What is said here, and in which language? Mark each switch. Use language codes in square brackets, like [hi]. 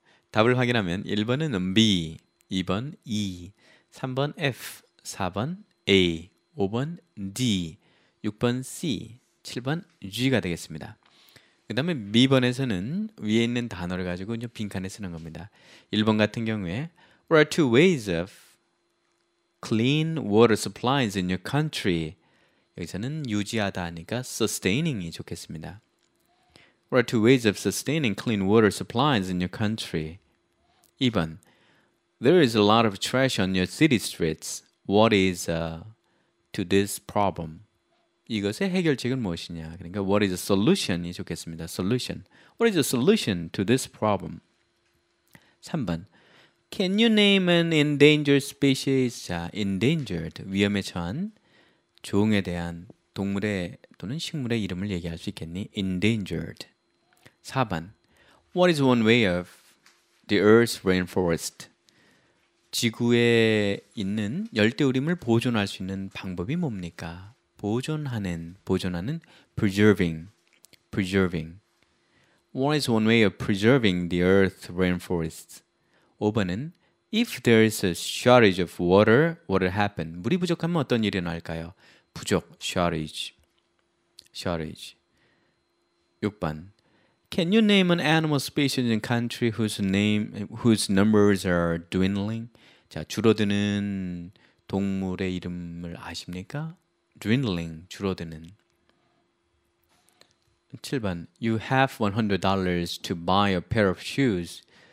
[ko] 답을 확인하면 1번은 B, 2번 E, 3번 F, 4번 A, 5번 D, 6번 C, 7번 G가 되겠습니다. 그 다음에 B번에서는 위에 있는 단어를 가지고 이제 빈칸에 쓰는 겁니다. 1번 같은 경우에 [en] There are two ways of clean water supplies in your country. [ko] 여기서는 유지하다 하니까 sustaining이 좋겠습니다. [en] There are two ways of sustaining clean water supplies in your country. 2번 There is a lot of trash on your city streets. What is to this problem? [ko] 이것의 해결책은 무엇이냐? 그러니까 [en] what is a solution [ko] 이 좋겠습니다. [en] Solution. What is a solution to this problem? 3번 Can you name an endangered species? [ko] 자, endangered, 위험에 처한 종에 대한 동물의 또는 식물의 이름을 얘기할 수 있겠니? Endangered. [en] 4번 What is one way of the Earth's rainforest? [ko] 지구에 있는 열대우림을 보존할 수 있는 방법이 뭡니까? 보존하는 preserving. [en] What is one way of preserving the Earth's rainforest? 5번은 If there is a shortage of water, what will happen? [ko] 물이 부족하면 어떤 일이 일어날까요? [en] 부족, shortage. 6번 Can you name an animal species in country whose numbers are dwindling? [ko] 자, 줄어드는 동물의 이름을 아십니까? [en] Dwindling, 줄어드는. 7번 You have $100 to buy a pair of shoes.